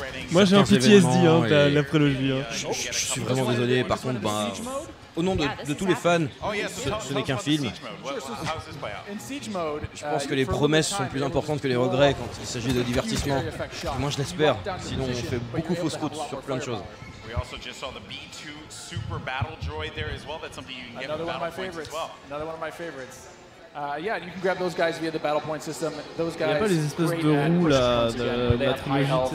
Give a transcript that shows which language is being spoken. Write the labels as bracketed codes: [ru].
[fr] Moi j'ai un PTSD, hein, et... la prélogie. Hein. Je suis vraiment désolé, par contre, bah, au nom de tous les fans, ce n'est qu'un film. Je pense que les promesses sont plus importantes que les regrets quand il s'agit de divertissement. Moi je l'espère, sinon on fait beaucoup fausse route sur plein de choses. [en] We also just saw the B2 Super Battle Droid there as well. That's something you can get with Battle Points as well. Another one of my favorites. Yeah, you can grab those guys via the battle point system. Those guys. [fr] Il y a pas les espèces de roues là, de la trilogie.